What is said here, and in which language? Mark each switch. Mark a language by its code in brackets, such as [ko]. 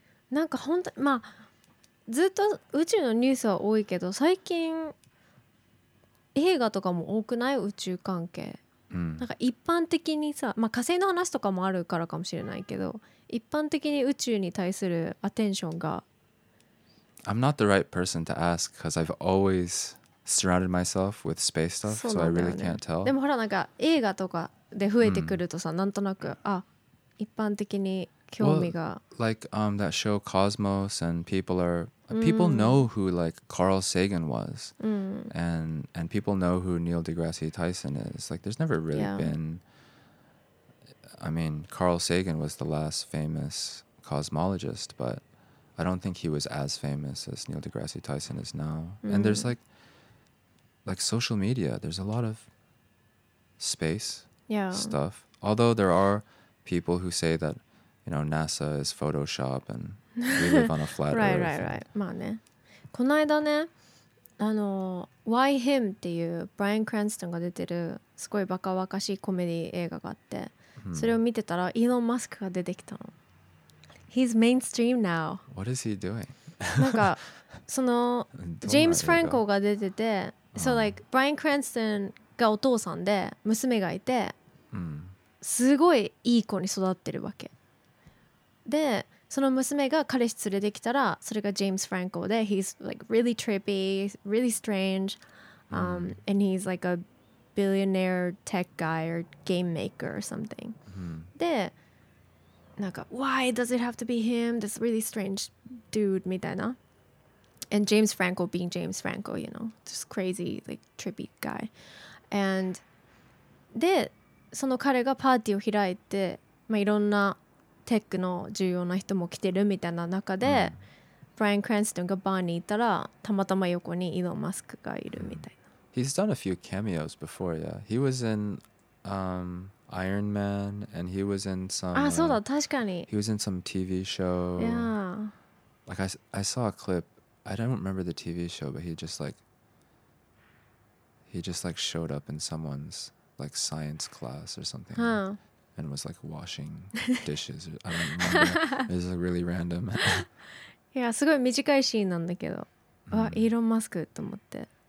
[ja] なんか本当、まあ、ずっと宇宙のニュースは多いけど、最近映画とかも多くない？宇宙関係。なんか一般的にさ、まあ、火星の話とかもあるからかもしれないけど、一般的に宇宙に対するアテンションが、 [en] I'm not the right person to ask because I've always surrounded myself with space stuff, so I really can't tell. [ja] でもほらなんか映画とかで増えてくるとさ、なんとなくあ、一般的に興味が、 [en] well, like that show Cosmos and people know who like Carl Sagan was, and people know who Neil deGrasse Tyson is. Like, there's never really been. I mean, Carl Sagan was the last famous cosmologist, but I don't think he was as famous as Neil deGrasse Tyson is now. And there's like social media. There's a lot of space stuff. Although there are people who say that, you know, NASA is Photoshop and [ja] まあね、この間ね、あの Why Him っていうブライアン・クランストンが出てるすごいバカバカしいコメディ映画があって、それを見てたらイーロン・マスクが出てきたの。 [en] He's mainstream now. What is he doing? [ja] なんかそのジェームス・フランコが出てて、 [en] So like [ja] ブライアン・クランストンがお父さんで娘がいて、すごいいい子に育ってるわけで、その娘が彼氏連れてきたら、それがジェームス・フランコで、 [en] He's like really trippy, really strange, and he's like a billionaire tech guy or game maker or something. [ja] で、なんか、 [en] Why does it have to be him? This really strange dude [ja] みたいな。 [en] And James Franco being James Franco, you know, just crazy, like trippy guy. And [ja] で、その彼がパーティーを開いて、まあ、いろんなテックの重要な人も来てるみたいな中で、ブライアン・クランストンがバーにいたら、たまたま横にイーロン・マスクがいるみたいな。 [en] He's done a few cameos before, yeah. He was in, Iron Man, and he was in some... [ja] Ah, そうだ、確かに。 [en] He was in some TV show. Yeah. Like, I saw a clip. I don't remember the TV show, but he just showed up in someone's, like, science class or something. Huh. And was, like, washing dishes. I don't remember. It was really random. Yeah, [ja] すごい短いシーンなんだけど。あ、イーロン・マスクと思って。